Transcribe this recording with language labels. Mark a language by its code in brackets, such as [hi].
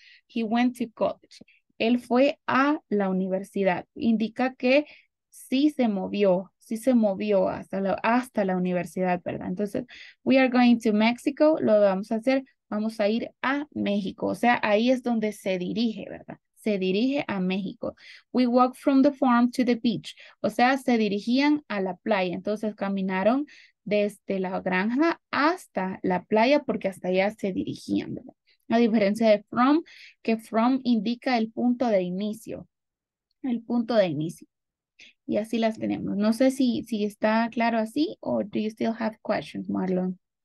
[en] He went to college. [es] Él fue a la universidad. Indica que sí se movió. Sí se movió hasta la universidad, ¿verdad? Entonces, [en] we are going to Mexico, [es] lo vamos a hacer, vamos a ir a México. O sea, ahí es donde se dirige, ¿verdad? Se dirige a México. [en] We walk from the farm to the beach. [es] O sea, se dirigían a la playa. Entonces, caminaron desde la granja hasta la playa porque hasta allá se dirigían, ¿verdad? A diferencia de from, que from indica el punto de inicio. El punto de inicio. Y así las tenemos. No sé si está claro así o [en] do you still have questions, [es] Marlon?